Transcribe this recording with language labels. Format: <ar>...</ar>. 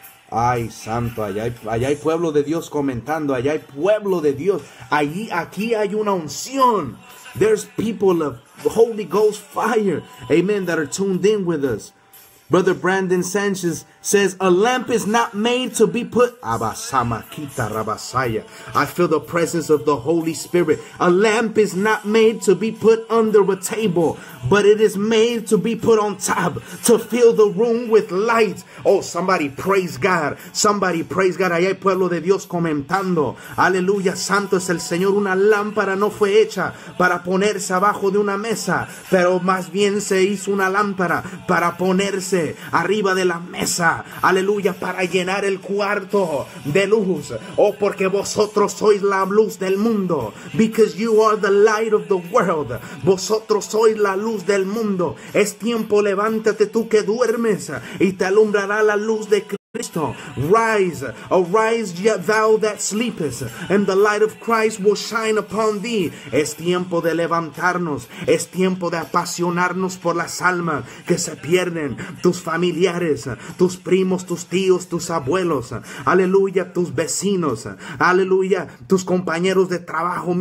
<es>Ay, santo, allá hay pueblo de Dios comentando, allá hay pueblo de Dios. Allí, aquí hay una unción.</es> <en>There's people of Holy Ghost fire, amen, that are tuned in with us. Brother Brandon Sanchez says, a lamp is not made to be put. Abasamakita rabasaya. I feel the presence of the Holy Spirit. A lamp is not made to be put under a table, but it is made to be put on top, to fill the room with light. Oh, somebody praise God. Somebody praise God.</en> <es>Allá hay pueblo de Dios comentando. Aleluya, santo es el Señor. Una lámpara no fue hecha para ponerse abajo de una mesa, pero más bien se hizo una lámpara para ponerse arriba de la mesa, aleluya, para llenar el cuarto de luz. Oh, porque vosotros sois la luz del mundo.</es> <en>Because you are the light of the world.</en> <es>Vosotros sois la luz del mundo. Es tiempo, levántate tú que duermes, y te alumbrará la luz de Cristo.</es> <en>Cristo, rise, arise, ye thou that sleepest, and the light of Christ will shine upon thee.</en> <es>Es tiempo de levantarnos, es tiempo de apasionarnos por las almas que se pierden, tus familiares, tus primos, tus tíos, tus abuelos, aleluya, tus vecinos, aleluya, tus compañeros de trabajo.</es>